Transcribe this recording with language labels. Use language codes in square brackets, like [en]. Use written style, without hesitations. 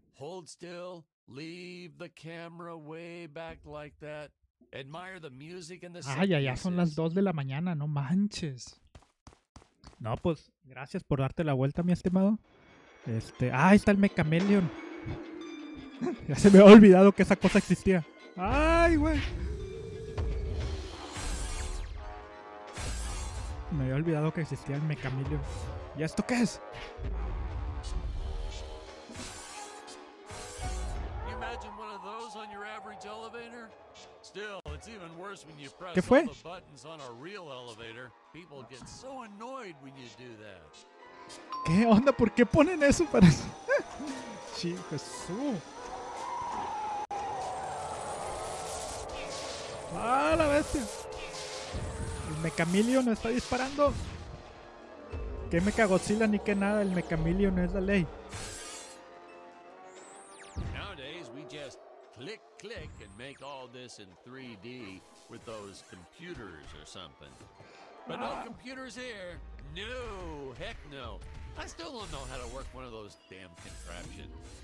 [en] Just hold still, leave the camera way back like that. Admire the music and the sound. [es] Ah, ya son las 2 de la mañana, no manches. No, pues gracias por darte la vuelta, mi estimado. Ahí está el Mechameleon. Ya se me había olvidado que esa cosa existía. ¡Ay, güey! Me había olvidado que existía el Mechameleon. ¿Y esto qué es? [en] Imagine one of those on your average elevator. Still, it's even worse when you press [es] ¿qué fue? [en] All the buttons on a real elevator. People get so annoyed when you do that. [es] ¿Qué onda? ¿Por qué ponen eso para eso? Sí, Jesús. ¡Ah, la bestia! El Mechameleon está disparando. Que Mecha Godzilla ni que nada, el Mechameleon es la ley. [en] Nowadays we just click click and make all this in 3D with those computers or something. But no computers here. No, heck no. I still don't know how to work one of those damn contraptions.